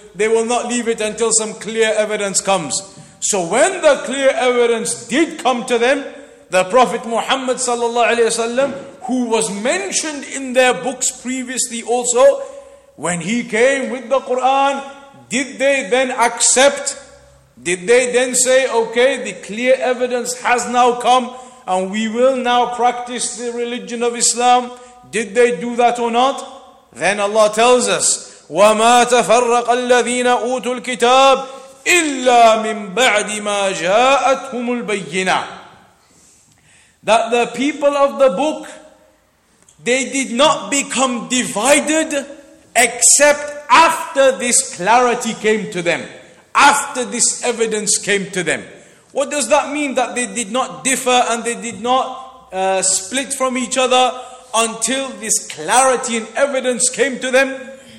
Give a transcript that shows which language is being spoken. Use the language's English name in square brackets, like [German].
[English] They will not leave it until some clear evidence comes. So when the clear evidence did come to them, the Prophet Muhammad sallallahu alaihi wasallam, who was mentioned in their books previously also, when he came with the Quran, did they then accept? Did they then say, okay, the clear evidence has now come, and we will now practice the religion of Islam? Did they do that or not? Then Allah tells us, [Arabic] وَمَا تَفَرَّقَ الَّذِينَ أُوتُوا الْكِتَابِ إِلَّا مِنْ بَعْدِ مَا جَاءَتْهُمُ الْبَيِّنَةِ. [English] That the people of the book, they did not become divided except after this clarity came to them, after this evidence came to them. What does that mean, that they did not differ and they did not split from each other until this clarity and evidence came to them?